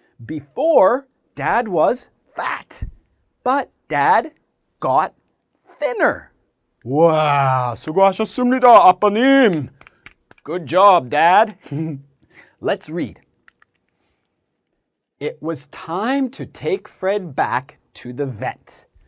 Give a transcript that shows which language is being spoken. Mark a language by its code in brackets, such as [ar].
[en] Before, Dad was fat, but Dad got thinner. Wow. [ko] 수고하셨습니다, 아빠님. [en] Good job, Dad. Let's read. It was time to take Fred back to the vet.